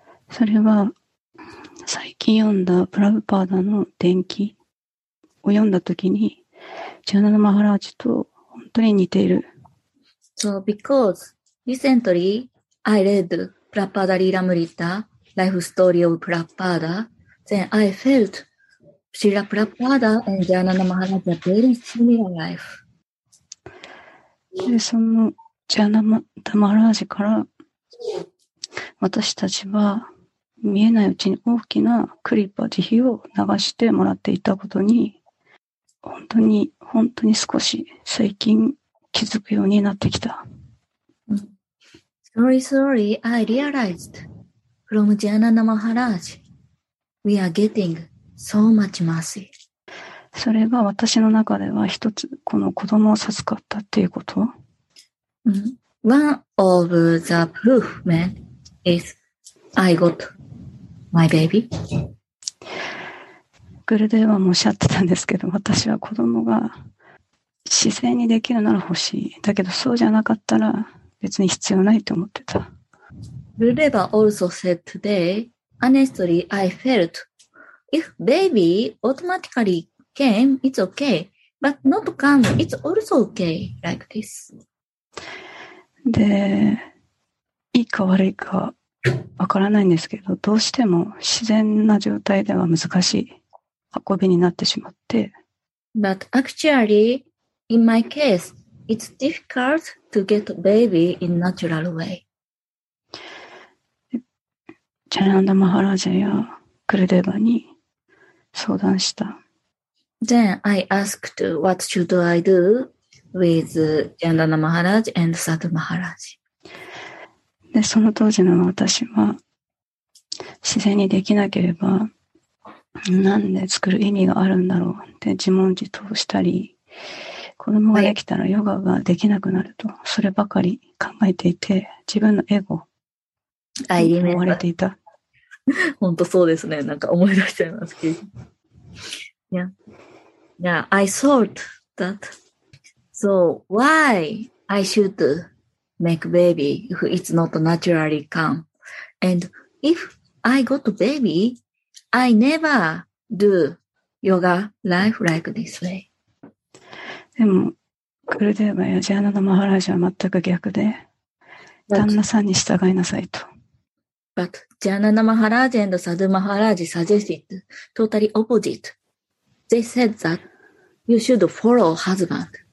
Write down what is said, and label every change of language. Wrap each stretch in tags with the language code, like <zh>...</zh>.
<ja>それは最近読んだプラブパーダの伝記を読んだ時に、Jayananda Maharaj と本当に似ている。</ja> <en>So because recently I read Prabhupada Lilamrita, Life Story of Prabhupada, then I felt Srila Prabhupada and Jayananda Maharaj are very similar life.</en> <ja>で、そのジャナダ・マハラージから私たちは見えないうちに大きなクリッパ慈悲を流してもらっていたことに本当に本当に少し最近気づくようになってきた。</ja> <en>Slowly, slowly, I realized from ジャナダ・マハラージ we are getting so much mercy.</en> <ja>それが私の中では一つこの子供を授かったっていうこと。</ja> <en>One of the proof, man, is I got my baby.</en> <ja>グルデーはもうおっしゃってたんですけど、私は子供が自然にできるなら欲しい。だけどそうじゃなかったら別に必要ないと思ってた。グルデーは</ja> <en>also said today, honestly, I felt if baby automaticallyCame, it's okay. But not come, it's also okay like this.</en> <ja>で、いいか悪いかわからないんですけど、どうしても自然な状態では難しい運びになってしまって。</ja> <en>But actually, in my case, it's difficult to get a baby in natural way.</en> <ja>チャランダマハラジャやクルデバに相談した。</ja> <en>Then I asked, what should I do with Chandana Maharaj and Sadhu Maharaj?</en> <ja>で、その当時の私は、自然にできなければ、なんで作る意味があるんだろうって自問自答したり、子供ができたらヨガができなくなると、そればかり考えていて、自分のエゴに追われていた。本当そうですね。なんか思い出しちゃいますけど。</ja> <en>Yeah, I thought that. So why I should make baby if it's not naturally come? And if I got baby, I never do yoga life like this way.</en> <ja>でも、クルデーバやジャーナのマハラジャは全く逆で、旦那さんに従いなさいと。</ja> <en>But ジャーナのマハラジャ and サドゥマハラジャ suggested totally opposite. They said that you should follow husband.</en>